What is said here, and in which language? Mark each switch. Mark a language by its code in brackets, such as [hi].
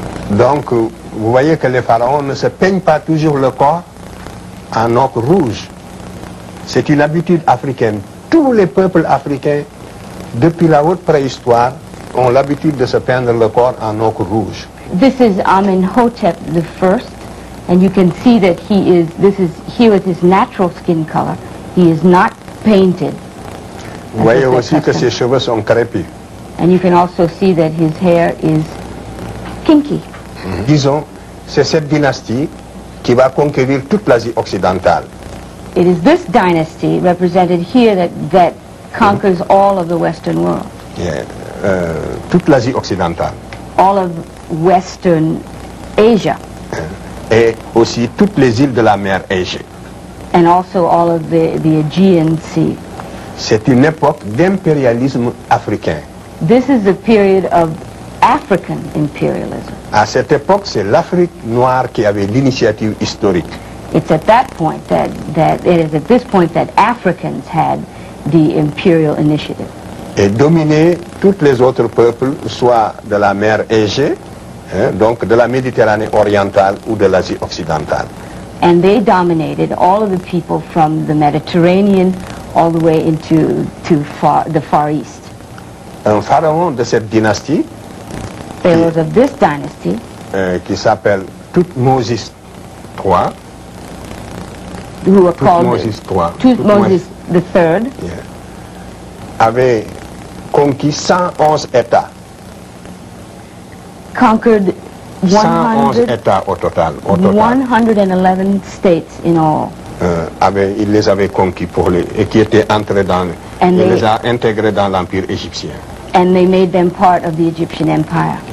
[fr] Donc, vous voyez que les pharaons ne se peignent pas toujours le corps en ocre rouge. C'est une habitude africaine. Tous les peuples africains, depuis la haute préhistoire, ont l'habitude de se peindre le corps en ocre rouge. [en] This is Amenhotep the First, and you can see that he is, this is here with his natural skin color. He is not painted. [fr] Vous voyez aussi que ses cheveux sont crépus. [en] And you can also see that his hair is kinky. [fr] Disons, c'est cette dynastie qui va conquérir toute l'Asie occidentale. [en] It is this dynasty represented here that conquers all of the Western world. [fr] Yeah, toute l'Asie occidentale. [en] All of Western Asia. [fr] Et aussi toutes les îles de la mer Égée. [en] And also all of the Aegean Sea. [fr] C'est une époque d'impérialisme africain. [en] This is a period of African imperialism. [fr] À cette époque, c'est l'Afrique noire qui avait l'initiative historique. [en] It's at that point it is at this point that Africans had the imperial initiative. [fr] Et dominer tous les autres peuples, soit de la mer Égée, hein, donc de la Méditerranée orientale ou de l'Asie occidentale. [en] And they dominated all of the people from the Mediterranean all the way into the Far East. [fr] Un pharaon de cette dynastie, [en] Pharaohs of this dynasty, [fr] qui s'appelle Thutmose III, [en] who are called Thutmose the Third, [fr] avait conquis 111 états. [en] Conquered [fr] 111 états au total. [en] 111 states in all. [fr] Il les avait conquis pour les et qui étaient entrés dans et les a intégrés dans l'empire égyptien. [en] And they made them part of the Egyptian Empire.